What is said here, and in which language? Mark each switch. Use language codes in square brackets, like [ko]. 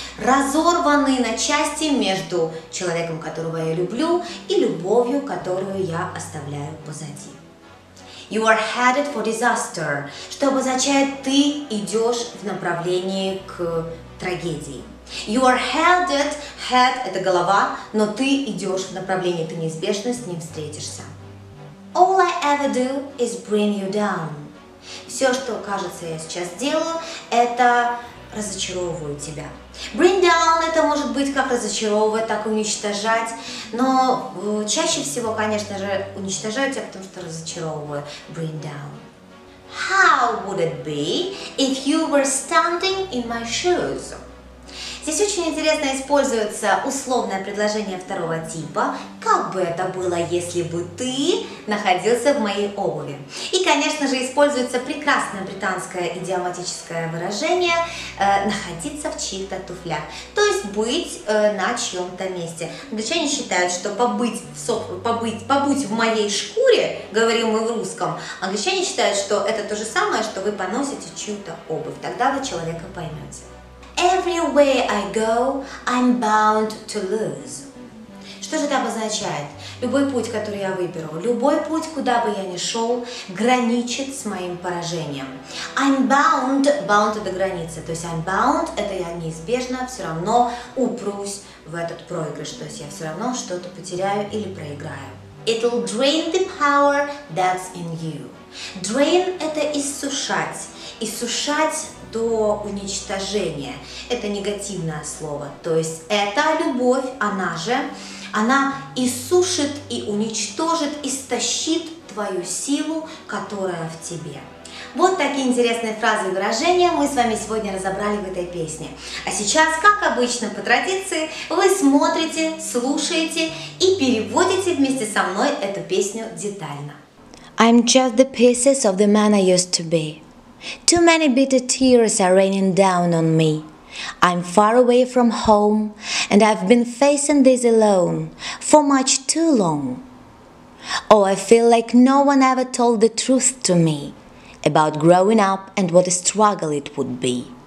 [ru] Разорванный на части между человеком, которого я люблю, и любовью, которую я оставляю позади. [en] You are headed for disaster, [ru] что обозначает «ты идешь в направлении к трагедии». [en] You are headed, [ru] head – это голова, но ты идешь в направлении, ты неизбежно с ним встретишься. [en] All I ever do is bring you down. [ru] Все, что, кажется, я сейчас делаю, это разочаровываю тебя. [en] Bring down [ru] – это может быть как разочаровывать, так и уничтожать, но чаще всего, конечно же, уничтожаю тебя, потому что разочаровываю. [en] Bring down. How would it be if you were standing in my shoes? [ru] Здесь очень интересно используется условное предложение второго типа. Как бы это было, если бы ты находился в моей обуви? И, конечно же, используется прекрасное британское идиоматическое выражение «находиться в чьих-то туфлях», то есть быть на чьем-то месте. Англичане считают, что побыть в моей шкуре, говорим мы в русском, англичане считают, что это то же самое, что вы поносите чью-то обувь, тогда вы человека поймете. [en] Everywhere I go, I'm bound to lose. [ru] Что же это обозначает? Любой путь, который я выберу, любой путь, куда бы я ни шел, граничит с моим поражением. [en] I'm bound, [ru] bound – это граница, то есть I'm bound – это я неизбежно все равно упрусь в этот проигрыш, то есть я все равно что-то потеряю или проиграю. [en] It'll drain the power that's in you. [ru] Drain – это иссушать. Иссушать до уничтожения. Это негативное слово. То есть эта любовь, она иссушит и уничтожит, истощит твою силу, которая в тебе. Вот такие интересные фразы и выражения мы с вами сегодня разобрали в этой песне. А сейчас, как обычно, по традиции, вы смотрите, слушаете и переводите вместе со мной эту песню детально. [en] I'm just the pieces of the man I used to be. Too many bitter tears are raining down on me. I'm far away from home, and I've been facing this alone for much too long. Oh, I feel like no one ever told the truth to me about growing up and what a struggle it would be.